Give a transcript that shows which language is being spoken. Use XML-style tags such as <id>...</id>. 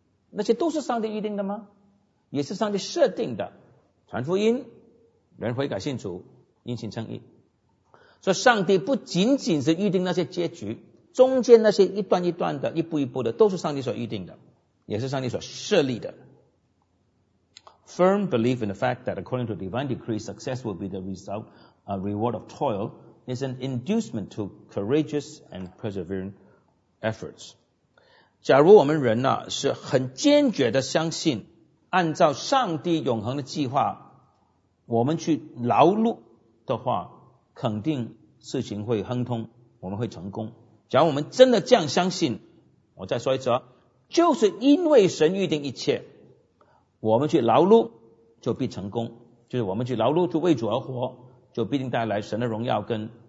<zh>那些都是上帝预定的吗？也是上帝设定的，传福音，人悔改信主，殷勤称义。所以上帝不仅仅是预定那些结局，中间那些一段一段的，一步一步的，都是上帝所预定的，也是上帝所设立的。</zh> <en>Firm belief in the fact that according to divine decree, success will be the result, a reward of toil, is an inducement to courageous and persevering efforts.</en> <zh>假如我们人呢，是很坚决的相信按照上帝永恒的计划我们去劳碌的话，肯定事情会亨通，我们会成功。假如我们真的这样相信，我再说一次，就是因为神预定一切，我们去劳碌就必成功，就是我们去劳碌就为主而活，就必定带来神的荣耀跟</zh>